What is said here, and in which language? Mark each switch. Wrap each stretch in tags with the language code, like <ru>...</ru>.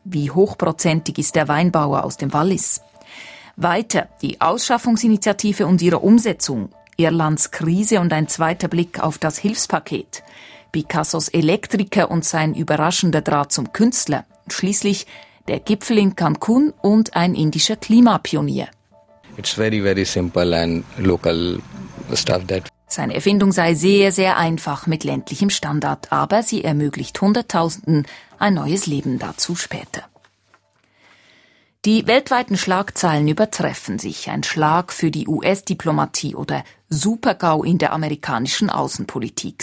<de>Wie hochprozentig ist der Weinbauer aus dem Wallis? Weiter die Ausschaffungsinitiative und ihre Umsetzung. Irlands Krise und ein zweiter Blick auf das Hilfspaket. Picassos Elektriker und sein überraschender Draht zum Künstler. Schließlich der Gipfel in Cancun und ein indischer Klimapionier.</de> <en>It's very, very simple and local stuff that.</en> <de>Seine Erfindung sei sehr, sehr einfach mit ländlichem Standard, aber sie ermöglicht Hunderttausenden ein neues Leben, dazu später. Die weltweiten Schlagzeilen übertreffen sich. Ein Schlag für die US-Diplomatie oder Super-GAU in der amerikanischen Außenpolitik.</de>